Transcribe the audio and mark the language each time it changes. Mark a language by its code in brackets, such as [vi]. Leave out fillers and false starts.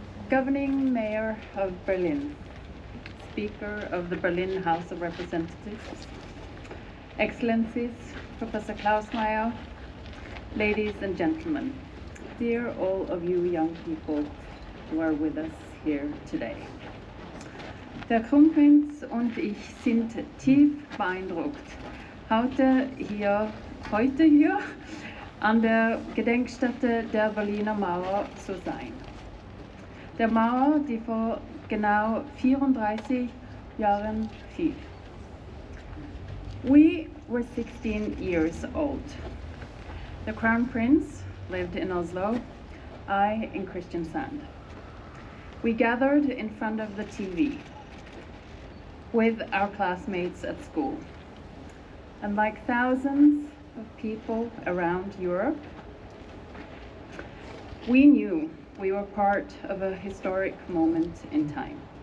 [en] Governing Mayor of Berlin, Speaker of the Berlin House of Representatives, Excellencies, Professor Klaus Meyer, ladies and gentlemen, dear all of you young people who are with us here today. [de] Der Kronprinz und ich sind tief beeindruckt, heute hier an der Gedenkstätte der Berliner Mauer zu sein. Der Mauer, die vor genau 34 Jahren fiel. [en] We were 16 years old. The Crown Prince lived in Oslo, I in Kristiansand. We gathered in front of the TV with our classmates at school. And like thousands of people around Europe, we knew we were part of a historic moment in time.